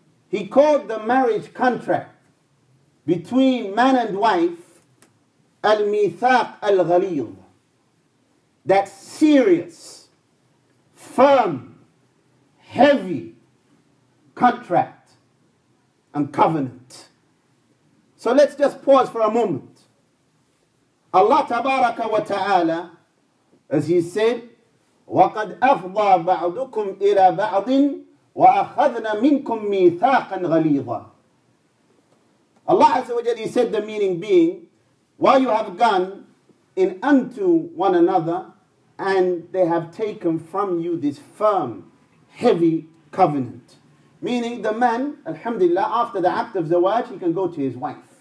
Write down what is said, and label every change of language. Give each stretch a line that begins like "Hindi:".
English: He called the marriage contract between man and wife, al-mithaq al-ghaliz, that serious, firm, heavy contract and covenant. So let's just pause for a moment.
Arabic: Allah tabaraka wa ta'ala, as He said, وَقَدْ أَفْضَى بَعْضُكُمْ إِلَى بَعْضٍ وَأَخَذْنَا مِنْكُمْ مِيثَاقًا غَلِيظًا.
English: Allah Azza wa Jalla, He said, the meaning being, while you have gone in unto one another, and they have taken from you this firm, heavy covenant. Meaning the man, alhamdulillah, after the act of zawaj, he can go to his wife.